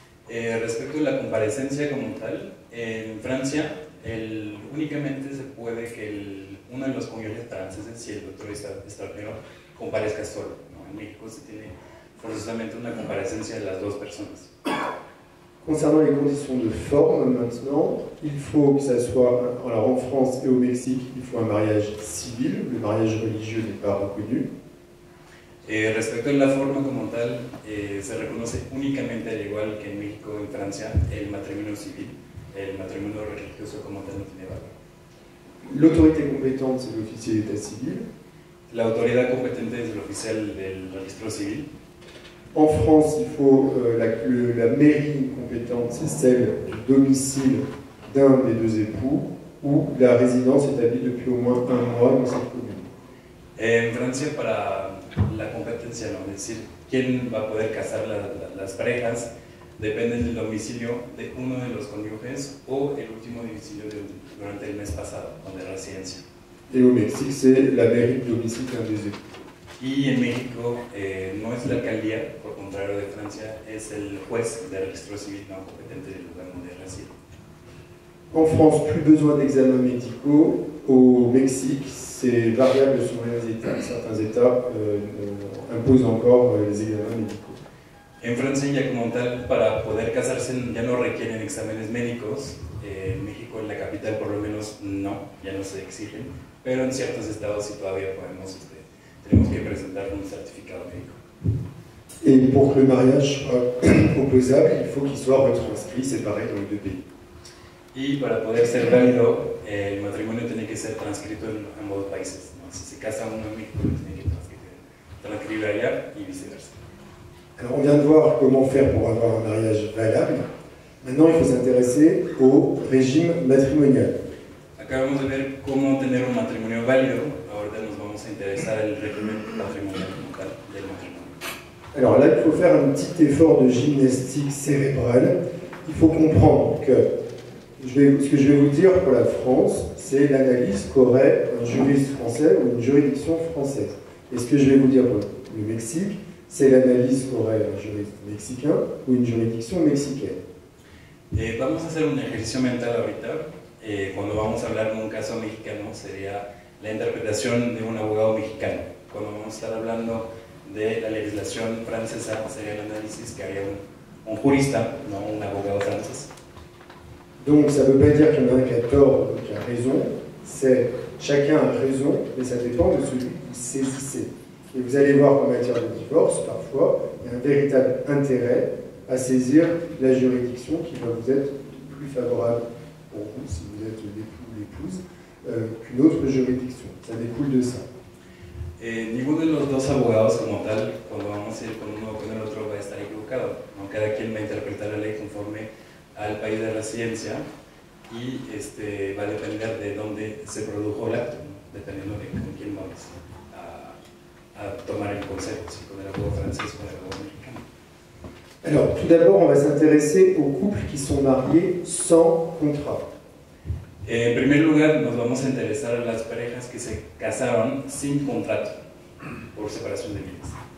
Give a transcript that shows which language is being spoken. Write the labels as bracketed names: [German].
[Spanish] Respecto a la comparecencia como tal, en Francia, únicamente se puede que uno de los cónyuges franceses, si el doctor es extranjero, comparezca solo. ¿No? En México, se tiene forzosamente una comparecencia de las dos personas. [French] Concernant les conditions de forme maintenant, il faut que ça soit, alors en France et au Mexique, il faut un mariage civil, le mariage religieux n'est pas reconnu. [Spanish] Et respecto de la forme comme tal, se reconoce [French] uniquement à l'égal qu'en [Spanish] México [French] et en France, [Spanish] le matrimonio civil, le matrimonio religioso comme tal no tiene valor. [French] L'autorité compétente, c'est l'officier d'état civil. [Spanish] La autoridad competente es el oficial del registro civil. [French] En France, il faut la mairie compétente, c'est celle du domicile d'un des deux époux ou la résidence établie depuis au moins un mois dans cette commune. [Spanish] En Francia, para la competencia, no, es decir, quién va a poder casar las parejas, depende del domicilio de uno de los cónyuges o el último domicilio durante el mes pasado, o de residencia. [French] Et au Mexique, c'est la mairie de domicile d'un des époux. [Spanish] Y en México no es la alcaldía, por contrario de Francia, es el juez de registro civil no competente del lugar donde reside. [French] En France, plus besoin d'examens médicaux. Au Mexique, c'est variable sur les États. Certains États imposent encore les examens médicaux. [Spanish] En Francia, ya como tal, para poder casarse ya no requieren exámenes médicos. En México, en la capital, por lo menos, no, ya no se exigen. Pero en ciertos estados sí todavía podemos tenemos que presentar un certificado médico. [French] Et pour que le mariage soit opposable, il faut qu'il soit retranscrit, c'est pareil dans les deux pays. [Spanish] Y para poder ser válido, el matrimonio tiene que ser transcrito en ambos países. ¿No? Si se casa uno en México, tiene que transcribir allá y viceversa. [French] Alors, on vient de voir comment faire pour avoir un mariage valable. Maintenant, il faut s'intéresser au régime matrimonial. [Spanish] Acabamos de ver cómo tener un matrimonio válido. Ahora nos vamos a interesar el régimen matrimonial del matrimonio. [French] Alors là, il faut faire un petit effort de gymnastique cérébrale. Il faut comprendre que ce que je vais vous dire pour la France, c'est l'analyse qu'aurait un juriste français ou une juridiction française. Et ce que je vais vous dire pour le Mexique, c'est l'analyse qu'aurait un juriste mexicain ou une juridiction mexicaine. [Spanish] Et vamos a hacer un ejercicio mental ahorita. Cuando vamos a hablar de un caso mexicano, sería la interpretación de un abogado mexicano. Cuando vamos a estar hablando de la legislación francesa, sería el análisis que haría un jurista, no un abogado francés. [French] Donc, ça ne veut pas dire qu'il y en a un qui a tort ou qui a raison. C'est chacun a raison, mais ça dépend de celui qui saisissait. Et vous allez voir qu'en matière de divorce, parfois, il y a un véritable intérêt à saisir la juridiction qui va vous être plus favorable. Si vous êtes l'époux ou l'épouse, qu'une autre juridiction. Ça découle de ça. [Spanish] Ninguno de los dos abogados, como tal, cuando vamos a ir con uno o con el otro, va a estar equivocado. No, cada quien va a interpretar la ley conforme al país de residencia y va a depender de dónde se produjo el acto, ¿no? Dependiendo de con quién vamos a tomar el consejo, si con el abogado francés o con el abogado mexicano. [French] Alors, tout d'abord, on va s'intéresser aux couples qui sont mariés sans contrat. [Spanish] En primer lugar, nos vamos a interesar a las parejas que se casaron sin contrato, por separación de bienes.